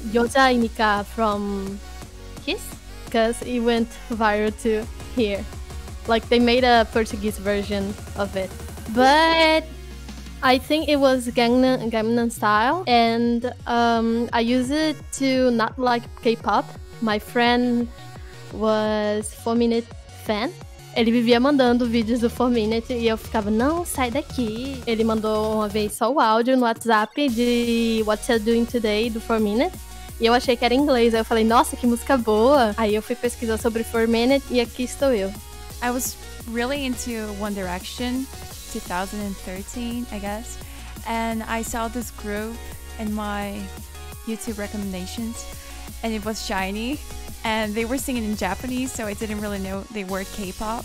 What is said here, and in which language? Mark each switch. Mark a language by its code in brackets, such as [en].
[en] Yoja Inika from Kiss? Because it went viral too. Here, like they made a Portuguese version of it, but I think it was Gangnam Style, and I used it to not like K-pop. My friend was 4Minute fan. [pt] Ele vivia mandando vídeos do 4Minute e eu ficava, não, sai daqui. Ele mandou uma vez só o áudio no WhatsApp de What You Doing Today do 4Minute. E eu achei que era inglês, aí eu falei, nossa, que música boa! Aí eu fui pesquisar sobre 4Minute e aqui estou eu. [en] I was really into One Direction, 2013, I guess. And I saw this group in my YouTube recommendations. And it was SHINee. And they were singing in Japanese, so I didn't really know they were K-pop.